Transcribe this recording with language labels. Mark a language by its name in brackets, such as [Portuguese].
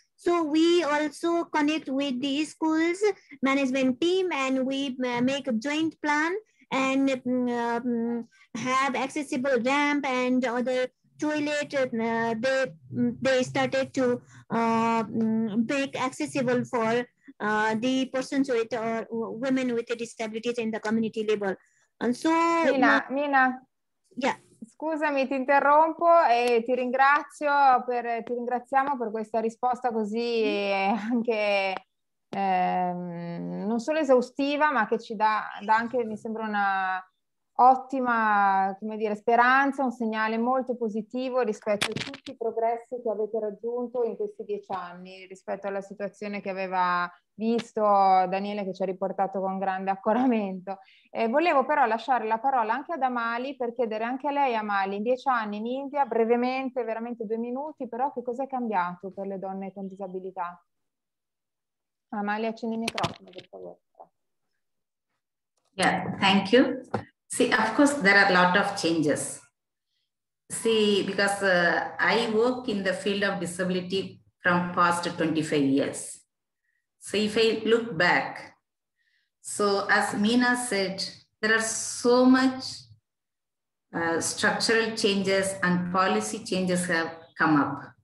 [English] So we also connect with the schools management team, and we make a joint plan and have accessible ramp and other toilet. They started to make accessible for the persons with or women with disabilities in the community level. And so Nina, yeah. [Italian] Scusami, ti interrompo e ti ringrazio per, ti ringraziamo per questa risposta così anche non solo esaustiva, ma che ci dà anche, mi sembra, una ottima, come dire, speranza, un segnale molto positivo rispetto a tutti i progressi che avete raggiunto in questi 10 anni, rispetto alla situazione che aveva visto Daniele, che ci ha riportato con grande accoramento. Volevo però lasciare la parola anche ad Amali per chiedere anche a lei, Amali, in 10 anni in India, brevemente, veramente 2 minuti, però che cosa è cambiato per le donne con disabilità? Amali, accendi il microfono, per favore. [English] Yeah, thank you. See, of course, there are a lot of changes. See, because I work in the field of disability from past 25 years. So if I look back, so as Meena said, there are so much structural changes and policy changes have come up.